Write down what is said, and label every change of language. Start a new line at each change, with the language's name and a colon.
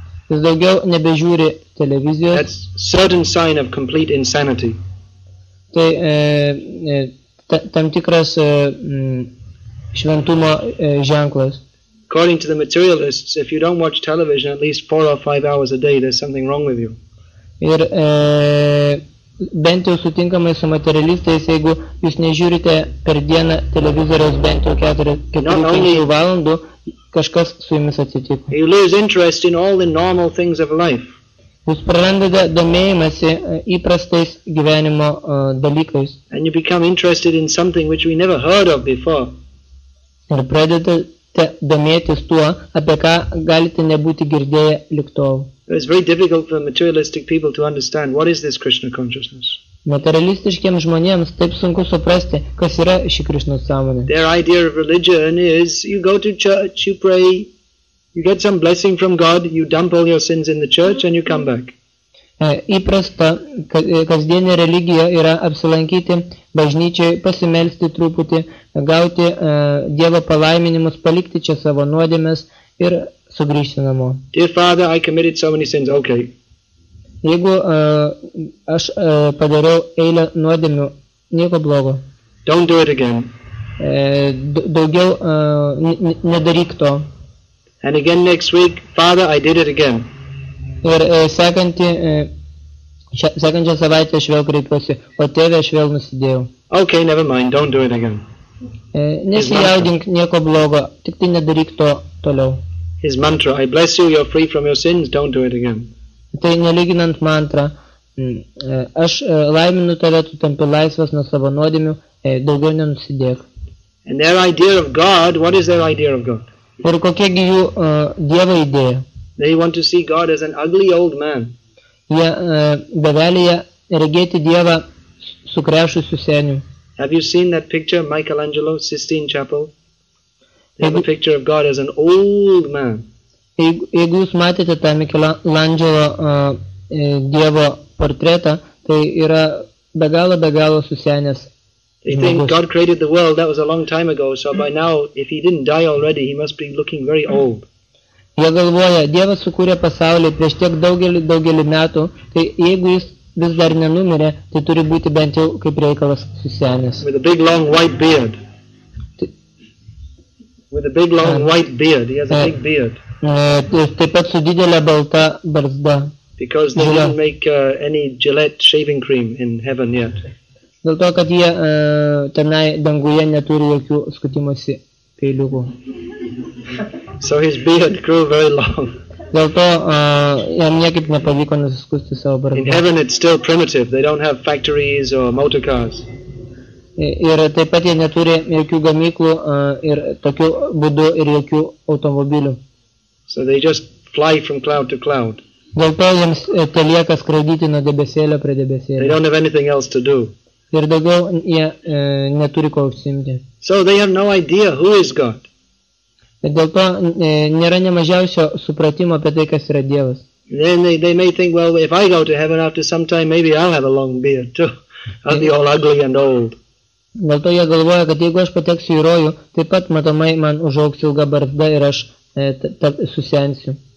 Lithuanian: Jis daugiau nebežiūri televizijos.
English: That's a certain sign of complete insanity.
Lithuanian: Tai tam tikras šventumo ženklas.
English: According to the materialists, if you don't watch television at least 4 or 5 hours a day, there's something wrong with you.
Lithuanian: Ir bent jau sutinkamai su materialistais, jeigu jūs nežiūrite per dieną televizoriaus bent jau 4-5 valandų, kažkas su jumis atsitiko.
English: You lose interest in all the normal things of life.
Lithuanian: Jūs prarandate domėjimąsi įprastais gyvenimo dalykais.
English: And you become interested in something which we never heard of before.
Lithuanian: Ir pradedate domėtis tuo, apie ką galite nebūti girdėję liktol.
English: It's very difficult for materialistic people to understand what is this Krishna consciousness.
Lithuanian: Materialistiškiems žmonėms taip sunku suprasti, kas yra ši Krishna sąmonė.
English: Their idea of religion is you go to church, you pray, you get some blessing from God, you dump all your sins in the church and you come back.
Lithuanian: Įprasta kasdienė religija yra apsilankyti bažnyčiai, pasimelsti truputį, gauti Dievo palaiminimus, palikti čia savo nuodėmes ir sugrįžti namo.
English: Dear Father, I committed so many sins, okay.
Lithuanian: Jeigu aš padariau eilę nuodėmių, nieko blogo.
English: Don't do it again.
Lithuanian: Daugiau nedaryk to.
English: And again next week, Father, I did it again.
Lithuanian: Ir sekančią savaitę aš vėl kreipiuosi, o tėvė aš vėl nusidėjau.
English: Okay, never mind, don't do it again.
Lithuanian: Nesijaudink nieko blogo, tik tai nedaryk to toliau.
English: His mantra, I bless you, you're free from your sins, don't do it again.
Lithuanian: Tai nelyginant mantra, aš laiminu tave, tu tampi laisvas nuo savo nuodėmių, daugiau nenusidėk.
English: And their idea of God, what is their idea of God?
Lithuanian: Ir kokia gi jų Dievo idėja?
English: They want to see God as an ugly old man.
Lithuanian: Jie bevelyje regėti Dievą sukrešusiu seniu.
English: Have you seen that picture of Michelangelo, Sistine Chapel? They have a picture of God as an old man.
Lithuanian: Jeigu jūs matėte tą Michelangelo Dievo portretą, tai yra be galo susenęs.
English: They think God created the world, that was a long time ago, so by now, if he didn't die already, he must be looking very old.
Lithuanian: Jie galvoja, Dievas sukūrė pasaulį prieš tiek daugelį metų, tai jeigu jis vis dar nenumirė, tai turi būti bent jau kaip reikalas susenęs.
English: With a big long white beard. With a big long white beard, he has a big beard.
Lithuanian: Taip pat su didelė balta barzda.
English: Because they didn't make any Gillette shaving cream in heaven yet.
Lithuanian: Dėl to, kad jie tenai danguje neturi jokių skutimosi peiliukų.
English: So his beard grew very long.
Lithuanian: Dėl to jam niekaip nepavyko nusiskusti savo barzdą.
English: In heaven it's still primitive. They don't have factories or motor cars.
Lithuanian: Ir taip pat jie neturi jokių gamyklų ir tokių būdų ir jokių automobilių.
English: So they just fly from cloud to cloud.
Lithuanian: Dėl to jiems telieka skraidyti nuo debesėlio prie debesėlio.
English: They don't have anything else to do.
Lithuanian: Ir daugiau jie neturi ko užsiimti.
English: So they have no idea who is God.
Lithuanian: Dėl to nėra nemažiausio supratimo apie tai, kas yra Dievas.
English: Then they may think, well, if I go to heaven after some time, maybe I'll have a long beard too. I'll be all ugly and old.
Lithuanian: Dėl to jie galvoja, kad jeigu aš pateksiu į rojų, taip pat matomai man užaugs ilga barzda ir aš susensiu.